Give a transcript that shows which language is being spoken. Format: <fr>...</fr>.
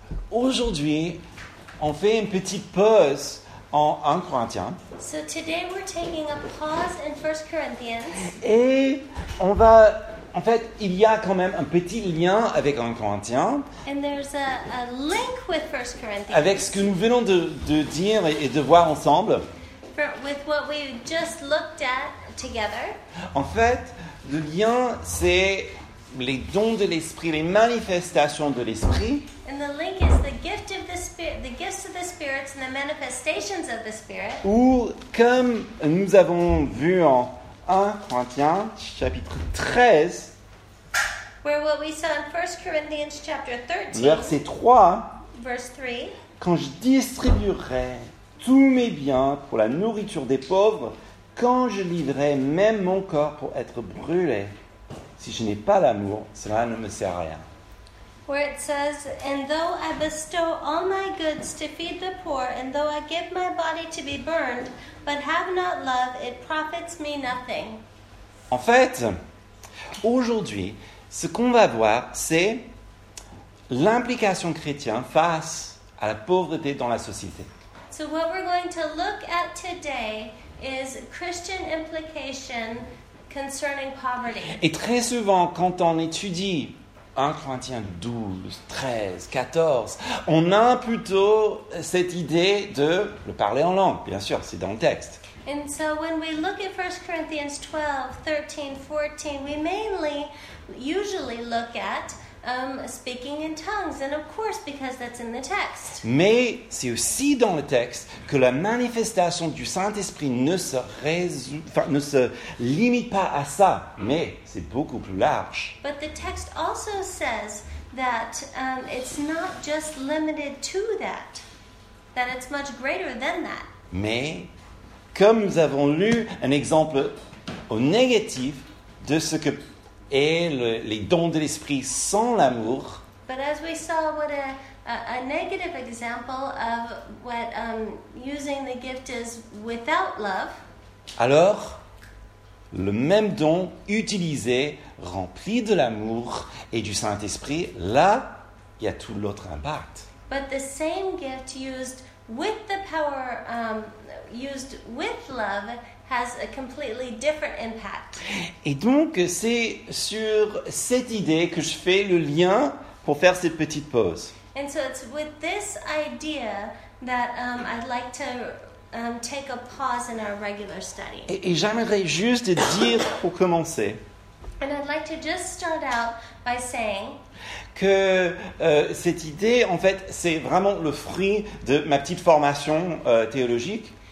<fr>aujourd'hui, on fait une petite pause en 1 Corinthiens.</fr> <en>So today we're taking a pause in 1 Corinthians.</en> <fr>Et on va, en fait, il y a quand même un petit lien avec 1 Corinthiens.</fr> <en>And there's a link with 1 Corinthians.</en> <fr>Avec ce que nous venons de dire et de voir ensemble.</fr> <en>With what we just looked at together.</en> <fr>En fait, le lien, c'est les dons de l'esprit, les manifestations de l'esprit.</fr> <en>And the link is the gift of the spirit, the gifts of the spirits and the manifestations of the spirit.</en> <fr>Ou comme nous avons vu en 1 Corinthiens chapitre 13,</fr> <en>where what we saw in 1 Corinthians chapter 13,</en> <fr>verset 3,</fr> <en>verse 3,</en> <fr>quand je distribuerai tous mes biens pour la nourriture des pauvres, quand je livrerai même mon corps pour être brûlé, si je n'ai pas l'amour, cela ne me sert à rien.</fr> <en>Where it says, and though I bestow all my goods to feed the poor, and though I give my body to be burned, but have not love, it profits me nothing.</en> <fr>En fait, aujourd'hui, ce qu'on va voir, c'est l'implication chrétienne face à la pauvreté dans la société.</fr> <en>So what we're going to look at today is Christian implication concerning poverty.</en> <fr>Et très souvent, quand on étudie 1 Corinthiens 12, 13, 14, on a plutôt cette idée de le parler en langue, bien sûr, c'est dans le texte.</fr> <en>And so when we look at 1 Corinthians 12, 13, 14, we mainly, usually look at speaking in tongues, and of course, because that's in the text.</en> <fr>Mais c'est aussi dans le texte que la manifestation du Saint-Esprit ne se limite pas à ça, mais c'est beaucoup plus large.</fr> <en>But the text also says that it's not just limited to that, that it's much greater than that.</en> <fr>Mais comme nous avons lu un exemple au négatif de ce que et les dons de l'esprit sans l'amour.</fr> <en>But as we saw what a negative example of what using the gift is without love.</en> <fr>Alors, le même don utilisé, rempli de l'amour et du Saint-Esprit, là, il y a tout l'autre impact.</fr> <en>But the same gift used with the power, used with love, has a completely different impact.</en> <fr>Et donc, c'est sur cette idée que je fais le lien pour faire cette petite pause.</fr> <en>And so it's with this idea that I'd like to take a pause in our regular study.</en> <fr>Et j'aimerais juste dire pour commencer.</fr> <en>And I'd like to just start out by saying</en> <fr>que cette idée, en fait, c'est vraiment le fruit de ma petite formation théologique.</fr>